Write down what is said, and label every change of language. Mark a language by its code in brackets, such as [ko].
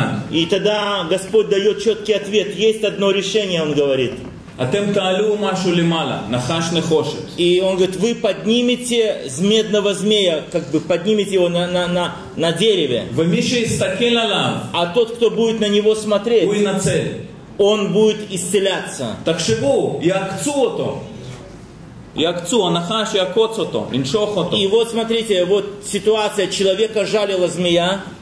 [ru] И тогда Господь дает четкий ответ. Есть одно решение, Он говорит. [he] אתם תעלו משהו למעלה, נחש נחושת. [ru] И он говорит, вы поднимете медного змея, как бы поднимете его на дереве. [he] ומי שיסתכל עליו, [ru] а тот, кто будет на него смотреть, [he] הוא ינצל. [ru] Он будет исцеляться. [he] תחשבו, יעקצו אותו. יעקצו, הנחש יעקוץ אותו, ינשוך אותו. [ru] И вот смотрите, вот ситуация, человека жалила змея.